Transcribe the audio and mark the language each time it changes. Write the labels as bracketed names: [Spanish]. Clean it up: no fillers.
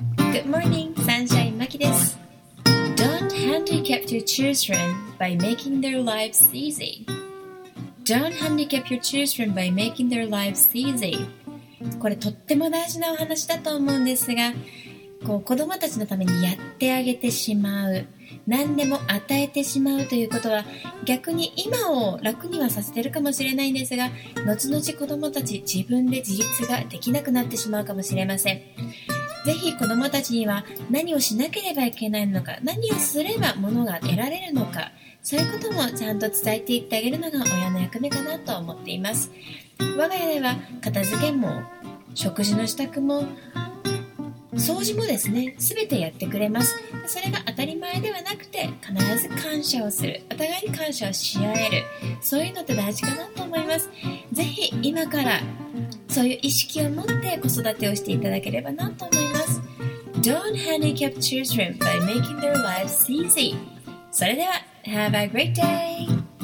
[English] Good morning, Sunshine Maki です。 Don't handicap your children by making their lives easy. Don't handicap your children by making their lives easy. [Japanese] これとっても大事なお話だと思うんですが、こう子供たちのためにやってあげてしまう、何でも与えてしまうということは、逆に今を楽にはさせてるかもしれないんですが、後々子供たち自分で自立ができなくなってしまうかもしれません。ぜひ子供たちには何をしなければいけないのか、何をすれば物が得られるのか、そういうこともちゃんと伝えていってあげるのが親の役目かなと思っています。我が家では片付けも食事の支度も掃除もですね、すべてやってくれます。それが当たり前ではなくて、必ず感謝をする、お互いに感謝をし合える、そういうのって大事かなと思います。ぜひ今からそういう意識を持って子育てをしていただければなと思います。 [English] Don't handicap children by making their lives easy. [Japanese] それでは [English] Have a great day.